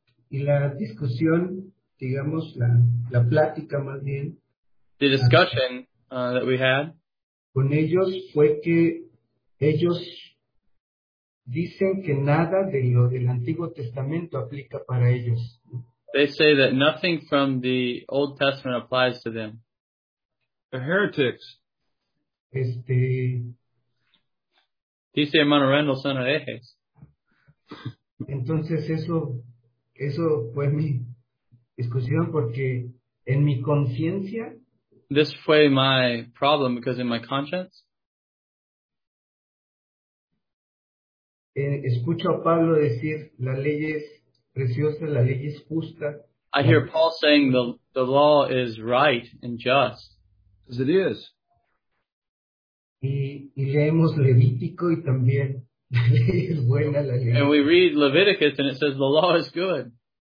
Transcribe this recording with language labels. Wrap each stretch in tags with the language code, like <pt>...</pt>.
<es>Y la discusión, digamos, la plática más bien.</es> <en>The discussion that we had.</en> <es>Con ellos fue que ellos dicen que nada de lo del Antiguo Testamento aplica para ellos.</es> <en>They say that nothing from the Old Testament applies to them. The heretics.</en> <es>Dice hermano Randall, son herejes. Entonces eso fue mi discusión porque en mi conciencia.</es> <en>This fue my problem because in my conscience.</en> <es>Escucho a Pablo decir, la ley es preciosa, la ley es justa.</es> <en>I hear Paul saying the law is right and just. As it is.</en> <es>Y leemos Levítico y también la ley es buena, la ley.</es> <en>And we read Leviticus and it says the law is good.</en>